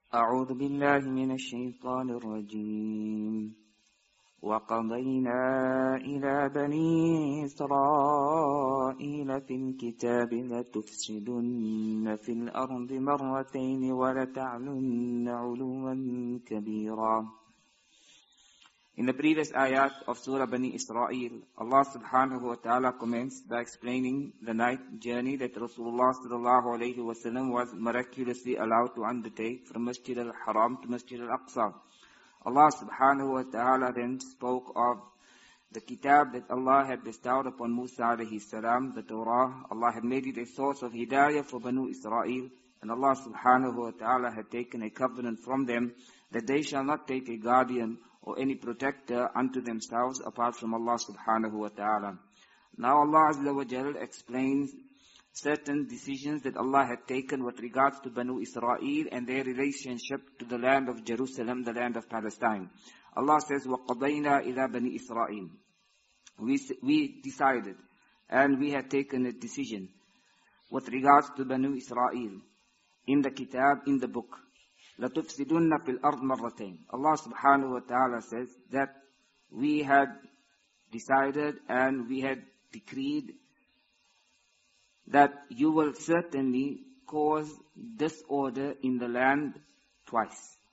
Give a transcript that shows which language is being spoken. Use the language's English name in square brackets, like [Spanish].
[Arabic] أعوذ بالله من الشيطان الرجيم. وقضينا إلى بني إسرائيل في الكتاب لتفسدن في الأرض مرتين ولتعلن علوا كبيرا. [English] In the previous ayat of Surah Bani Israel, Allah subhanahu wa ta'ala commenced by explaining the night journey that Rasulullah sallallahu alayhi wa sallam was miraculously allowed to undertake from Masjid al-Haram to Masjid al-Aqsa. Allah subhanahu wa ta'ala then spoke of the kitab that Allah had bestowed upon Musa alayhi salam, the Torah. Allah had made it a source of hidayah for Banu Israel, and Allah subhanahu wa ta'ala had taken a covenant from them that they shall not take a guardian or any protector unto themselves apart from Allah subhanahu wa ta'ala. Now Allah azza wa jal explains certain decisions that Allah had taken with regards to Banu Israel and their relationship to the land of Jerusalem, the land of Palestine. Allah says, [Arabic] وَقَضَيْنَا إِلَىٰ بَنِي إِسْرَائِيلِ. [English] We decided and we had taken a decision with regards to Banu Israel in the kitab, in the book. [Arabic] لَتُفْسِدُنَّ فِي الْأَرْضِ مَرَّتَيْنِ. [English] Allah subhanahu wa ta'ala says that we had decided and we had decreed that you will certainly cause disorder in the land twice.